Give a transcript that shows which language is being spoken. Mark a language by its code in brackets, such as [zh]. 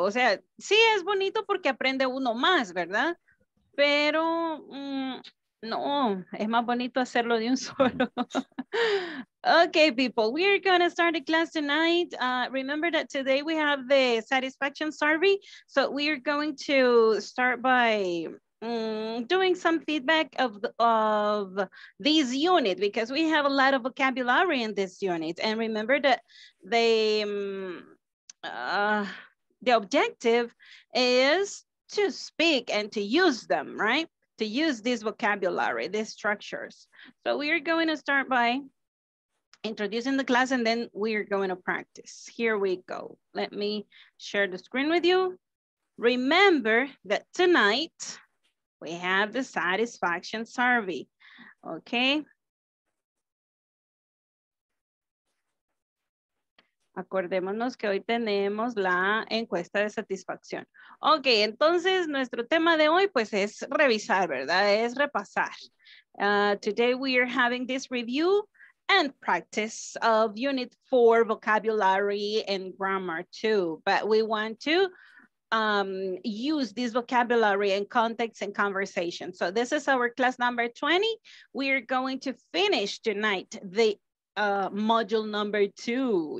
[es] O sea, sí es bonito porque aprende uno más, ¿verdad? Pero no, es más bonito hacerlo de un solo. [en] Ok, people, we're going to start the class tonight. Remember that today we have the satisfaction survey. So we are going to start by doing some feedback of this unit because we have a lot of vocabulary in this unit. And remember that the objective is to speak and to use them, right? To use this vocabulary, these structures. So we are going to start by introducing the class and then we are going to practice. Here we go. Let me share the screen with you. Remember that tonight, we have the satisfaction survey, okay? [es] Acordémonos que hoy tenemos la encuesta de satisfacción. Ok, entonces nuestro tema de hoy pues es revisar, ¿verdad? Es repasar. [en] Today we are having this review and practice of unit 4 vocabulary and grammar too, but we want to use this vocabulary in context and conversation. So this is our class number 20. We are going to finish tonight the module number 2.